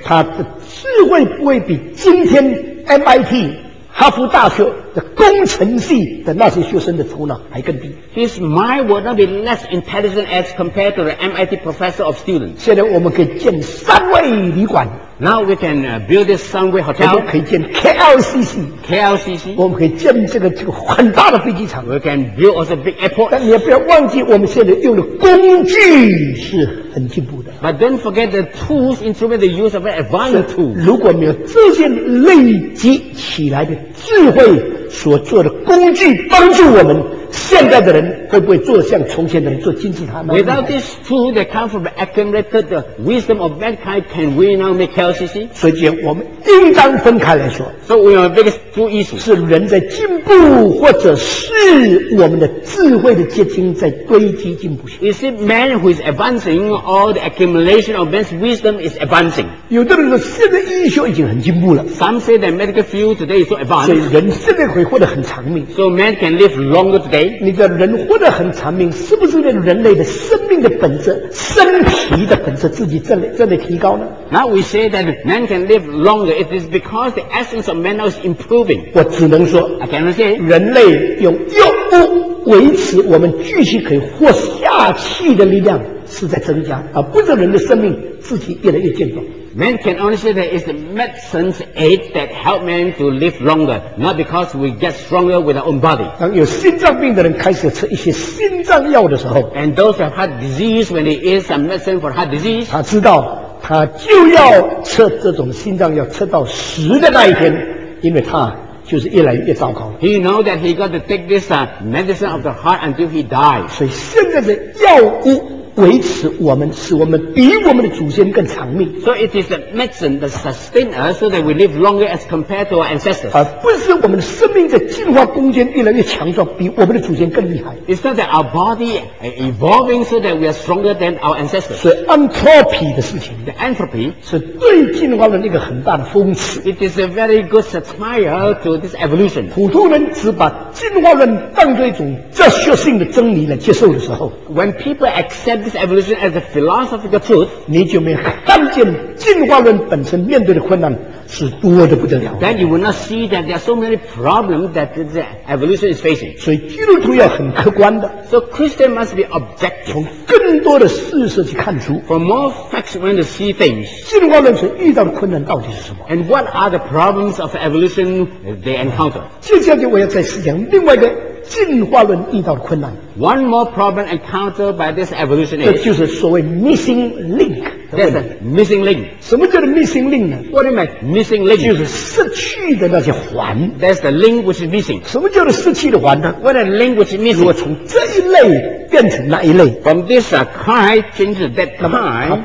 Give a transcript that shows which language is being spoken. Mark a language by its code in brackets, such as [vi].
[zh] 他的智慧不会比今天 MIT 哈佛大学的工程系的那些学生的头脑还更低。 [en] His mind would not be less intelligent as compared to the MIT professor of students. [zh] 现在我们可以建三位旅馆。 [en] Now we can build this 三位 hotel. [zh] 我们可以建 KLCC. [en] KLCC. [zh] 我们可以建这个很大的飞机场。 [en] We can build also big airport. [zh] 但你不要忘记，我们现在用的工具是很进步的。 [en] But don't forget the tools instrument they use are very advanced tools. [zh] 如果没有这些累积起来的智慧。所做的工具帮助我们现在的人会不会做像从前的人做金字塔 [en] Without this tool that comes from the accumulated the wisdom of mankind can we now make LCC? [zh] 所以我们应当分开来说 [en] So we have biggest two issues [zh] 是人在进步或者是我们的智慧的结晶在堆积进步 [en] Is it man who is advancing or the accumulation of man's wisdom is advancing? [zh] 有的人说现在医学已经很进步了 [en] Some say that medical field today is so advanced [zh] 所以人现在会活得很长命 [en] So man can live longer today [zh] 你的人活得很长命是不是因为人类的生命的本质身体的本质自己正在提高呢 [en] Now we say that man can live longer It is because the essence of man is improving [zh] 我只能说 [en] I can say [zh] 人类用药物维持我们继续可以活下去的力量是在增加而不是人的生命自己越来越健壮 [en] Man can only say that it's the medicine's aid that help man to live longer, not because we get stronger with our own body. [zh] 当有心脏病的人开始吃一些心脏药的时候 [en] ，and those have heart disease when they eat some medicine for heart disease, [zh] 他知道他就要吃这种心脏药，吃到十的那一天，因为他就是越来越糟糕。 [en] He know that he got to take this medicine of the heart until he dies. [zh] 所以现在的药物。维持我们，使我们比我们的祖先更长命。 [en] So it is the medicine that sustains us, so that we live longer as compared to our ancestors. [zh] 而不是我们的生命在进化空间越来越强壮，比我们的祖先更厉害。 [en] It's not that our body evolving so that we are stronger than our ancestors. [zh] 是 entropy 的事情。 [en] The entropy [zh] 是对进化的一个很大的讽刺。 [en] It is a very good satire to this evolution. [zh] 普通人只把进化论当作一种哲学性的真理来接受的时候 [en] ，When people accept this evolution as a philosophical truth [zh] 你就没看见进化论本身面对的困难是多得不得了 [en] then you will not see that there are so many problems that the evolution is facing [zh] 所以基督徒要很客观的 [en] so Christian must be objective [zh] 从更多的事实去看出 [en] from more facts when to see things [zh] 进化论所遇到的困难到底是什么 [en] and what are the problems of evolution they encounter [zh] 接下来我要再讲另外一个进化论遇到的困难 [en] One more problem encountered by this evolution is [zh] 这就是所谓 missing link [en] That's a missing link. [zh] 什么叫做 missing link 呢？ [en] What do you mean? Missing link. [zh] 就是失去的那些环。 [en] That's the link which is missing. [zh] 什么叫做失去的环呢？ [en] What a link which is missing. [zh] 如果从这一类变成那一类。 [en] From this kind change to that kind. 它